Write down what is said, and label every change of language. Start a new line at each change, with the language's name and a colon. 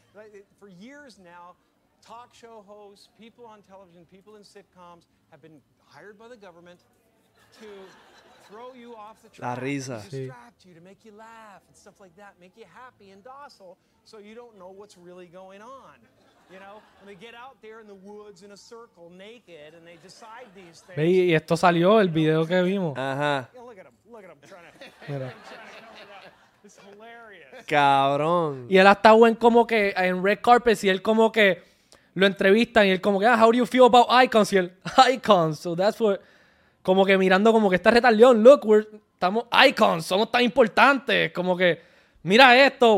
English: Like, for years now, talk show hosts, people on television, people in sitcoms have been hired by the government to... throw you off the track,
Spanish: la risa.
English: Distract you, to make you laugh and stuff like that, make you happy and docile so you don't know what's really going on. You know, when they get out there in the woods in a circle naked and they decide these things.
Spanish: Hey, y esto salió el video que vimos. Ajá.
English: Look at him trying to cover it up. It's hilarious.
Spanish: Cabrón. Y él hasta buen como que en red carpet y él como que lo entrevistan y él como que, ah,
English: how do you feel about icons?
Spanish: Y él,
English: icons, so that's what...
Spanish: Como que mirando como que está retardión. Look, estamos icons. Somos tan importantes. Como que, mira esto.